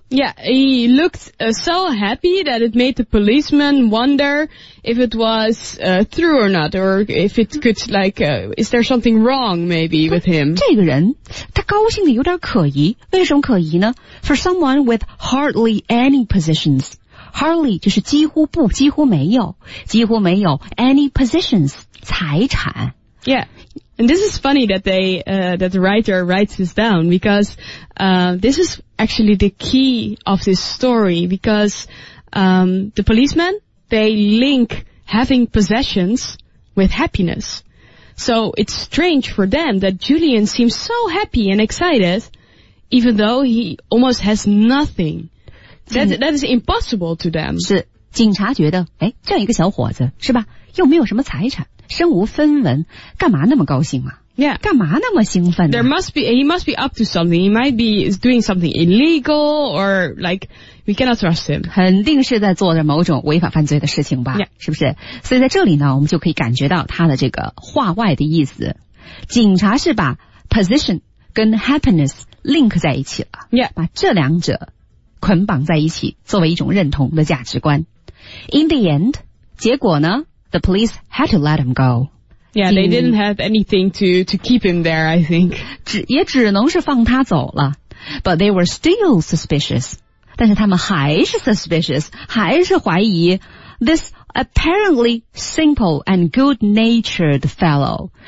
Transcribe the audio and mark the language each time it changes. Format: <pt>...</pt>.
<en>Yeah, he looked, so happy that it made the policeman wonder if it was, true or not, or if it could, like, is there something wrong maybe with him?</en> <zh>这个人他高兴的有点可疑。为什么可疑呢?</zh> <en>For someone with hardly any possessions.</en> <zh>Hardly 就是几乎不几乎没有。几乎没有</zh> <en>any possessions,</en> <zh>财产。 Yeah.</zh> <en>And this is funny that they, that the writer writes this down because, this is actually the key of this story because, the policemen, they link having possessions with happiness. So it's strange for them that Julian seems so happy and excited even though he almost has nothing. That is impossible to them.</en> <zh>是警察觉得诶这样一个小伙子是吧又没有什么财产。身无分文干嘛那么高兴啊 Yeah. 干嘛那么兴奋啊</zh> <en>He must be up to something. He might be doing something illegal or like, we cannot trust him.</en> <zh>肯定是在做着某种违法犯罪的事情吧、 yeah. 是不是所以在这里呢我们就可以感觉到他的这个话外的意思。警察是把 position 跟 happiness link 在一起了、 yeah. 把这两者捆绑在一起作为一种认同的价值观。</zh> <en>In the end,</en> <zh>结果呢</zh> <en>The police had to let him go. Yeah, they didn't have anything to keep him there, I think.</en> <zh>也只能是放他走了。</zh> <en>But they were still suspicious.</en> <zh>但是他们还是 suspicious, 还是怀疑</zh> <en>this apparently simple and good-natured fellow.</en>